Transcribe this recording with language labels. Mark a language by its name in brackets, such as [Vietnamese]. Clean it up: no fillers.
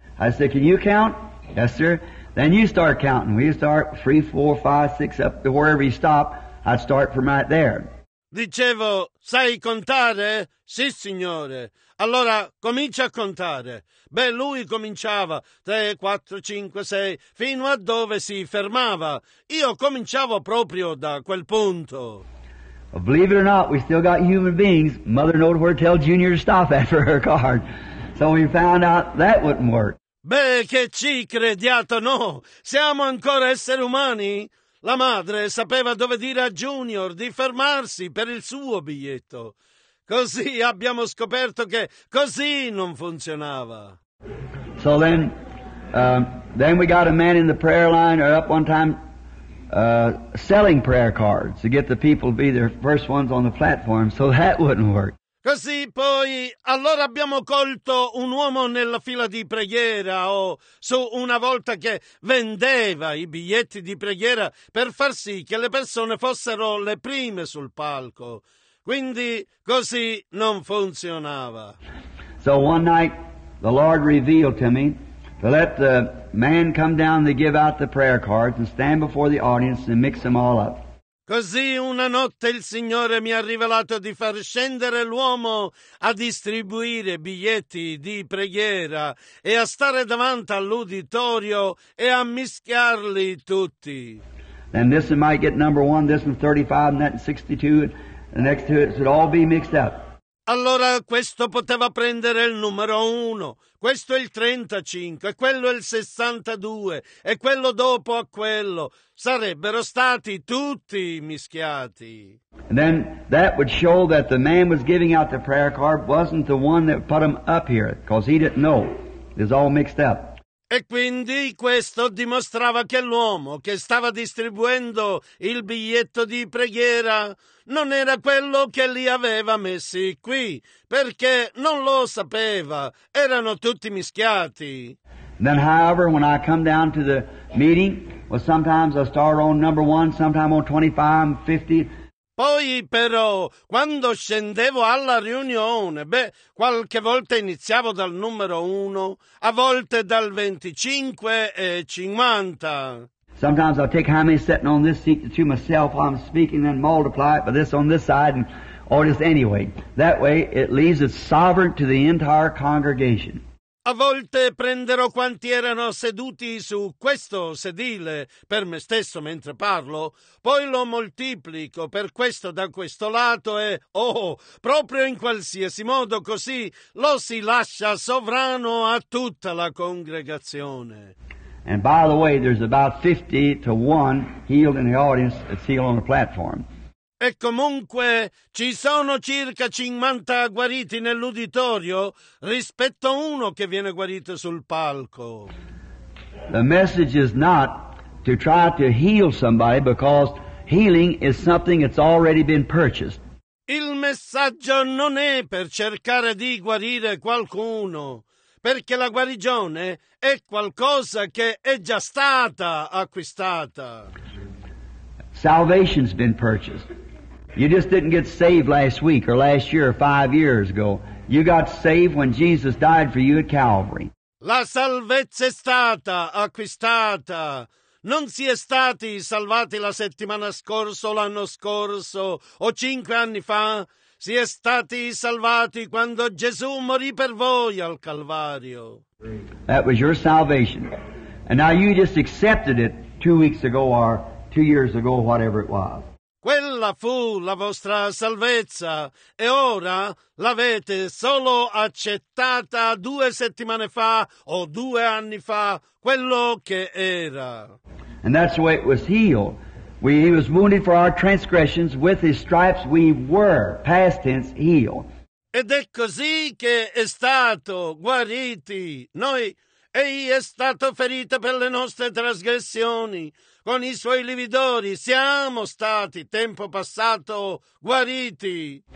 [English] I said, can you count? Yes, sir. Then you start counting. We start 3, 4, 5, 6, up wherever you stop, I'd start from right there. [Italian] Dicevo, sai contare? Sì, signore. Allora, comincia a contare. Beh, lui cominciava 3, 4, 5, 6, fino a dove si fermava. Io cominciavo proprio da quel punto. [English] Believe it or not, we still got human beings. Mother knows where to tell Junior to stop after her card. So we found out that wouldn't work. [Italian] Beh, che ci crediate, no? Siamo ancora esseri umani? La madre sapeva dove dire a Junior di fermarsi per il suo biglietto. Così abbiamo scoperto che così non funzionava. [English] So then we got a man in the prayer line or up one time selling prayer cards to get the people to be their first ones on the platform, so that wouldn't work. [Italian] Così poi, allora abbiamo colto un uomo nella fila di preghiera o su una volta che vendeva i biglietti di preghiera per far sì che le persone fossero le prime sul palco. Quindi così non funzionava. [English] So one night the Lord revealed to me to let the man come down to give out the prayer cards and stand before the audience and mix them all up. [Italian] Così una notte il Signore mi ha rivelato di far scendere l'uomo a distribuire biglietti di preghiera e a stare davanti all'uditorio e a mischiarli tutti. [English] And this one might get number 1, this one 35, and that 62, and next to it should all be mixed up. [Italian] Allora questo poteva prendere il numero 1, questo è il 35, quello è il 62 e quello dopo a quello. Sarebbero stati tutti mischiati. [English] And then that would show that the man was giving out the prayer card wasn't the one that put him up here, because he didn't know. It was all mixed up. [Italian] E quindi questo dimostrava che l'uomo che stava distribuendo il biglietto di preghiera non era quello che li aveva messi qui, perché non lo sapeva, erano tutti mischiati. [English] Then, however, when I come down to the meeting, well, sometimes I start on number 1, sometimes on 25, 50. [Italian] Poi, però, quando scendevo alla riunione, beh, qualche volta iniziavo dal numero 1, a volte dal 25 e 50. [English] Sometimes I'll take how many sitting on this seat to myself while I'm speaking and multiply it by this on this side, or just anyway. That way it leaves it sovereign to the entire congregation. [Italian] A volte prenderò quanti erano seduti su questo sedile per me stesso mentre parlo, poi lo moltiplico per questo da questo lato e, oh, proprio in qualsiasi modo così, lo si lascia sovrano a tutta la congregazione. [English] And by the way, there's about 50 to 1 healed in the audience that's healed on the platform. [Italian] E comunque ci sono circa 50 guariti nell'uditorio rispetto a uno che viene guarito sul palco. [English] The message is not to try to heal somebody because healing is something that's already been purchased. [Italian] Il messaggio non è per cercare di guarire qualcuno, perché la guarigione è qualcosa che è già stata acquistata. [English] Salvation's been purchased. You just didn't get saved last week or last year or 5 years ago. You got saved when Jesus died for you at Calvary. [Italian] La salvezza è stata acquistata. Non si è stati salvati la settimana scorsa, l'anno scorso o 5 anni fa. Si è stati salvati quando Gesù morì per voi al Calvario. [English] That was your salvation. And now you just accepted it 2 weeks ago or 2 years ago, whatever it was. [Italian] Quella fu la vostra salvezza e ora l'avete solo accettata 2 settimane fa o 2 anni fa, quello che era. [English] And that's the way it was healed. He was wounded for our transgressions, with his stripes we were, past tense, healed. [Italian] Ed è così che è stato guariti noi. Egli è stato ferito per le nostre trasgressioni. Con i suoi lividori siamo stati, tempo passato, guariti.